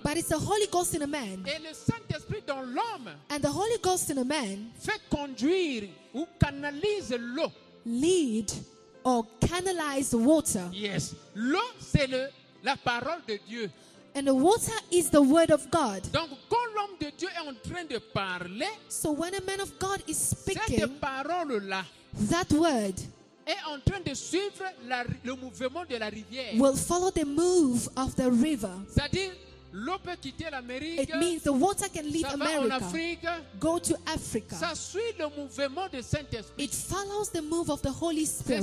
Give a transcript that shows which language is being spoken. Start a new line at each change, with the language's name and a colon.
English: But it's the Holy Ghost in a man.
French: Et le Saint-Esprit dans l'homme.
English: And the Holy Ghost in a man.
French: Fait conduire ou canalise l'eau.
English: Lead or canalize water.
French: Yes. L'eau, c'est la parole de Dieu.
English: And the water is the word of God.
French: Donc, quand l'homme de Dieu est en train de parler,
English: so when a man of God is speaking,
French: cette parole-là,
English: that word
French: est en train de suivre le mouvement de la rivière,
English: will follow the move of the river.
French: C'est-à-dire, l'eau peut quitter l'Amérique,
English: it means the water can leave
French: ça va
English: America,
French: en Afrique,
English: go to Africa.
French: Ça suit le mouvement de Saint-Esprit.
English: It follows the move of the Holy Spirit.